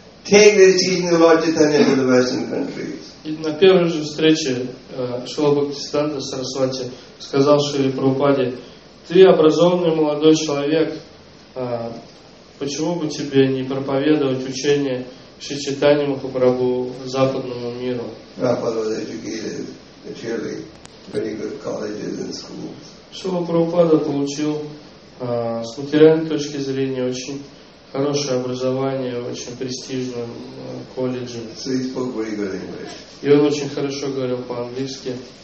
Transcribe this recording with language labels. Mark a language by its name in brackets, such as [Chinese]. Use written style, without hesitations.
[English] Take this teaching of Lord Chaitanya to the Western countries. [Russian] На первой же встрече Шрила Бхактисиддханта Сарасвати сказал Шриле Прабхупаде: "Ты образованный молодой человек. Почему бы тебе не проповедовать учение Шри Чайтаньи Махапрабху западному миру?" [English] Prabhupada was educated at really very good colleges and schools. [Russian] Шрила Прабхупада получил с материальной точки зрения очень хорошее образование в очень престижном колледже. [English] So he spoke very good English. [Russian] И он очень хорошо говорил по-английски.